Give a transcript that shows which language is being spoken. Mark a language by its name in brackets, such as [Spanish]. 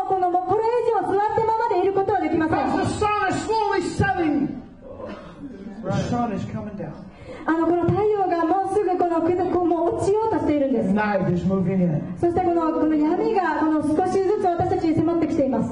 [Japanese] もうこれ以上座ったままでいることはできません。 [English] The sun is slowly setting. The sun is coming down. [Japanese] この太陽がもうすぐこのこの落ちようとしているんです。 [English] Night is moving in. [Japanese] そしてこの闇がこの少しずつ私たちに迫ってきています。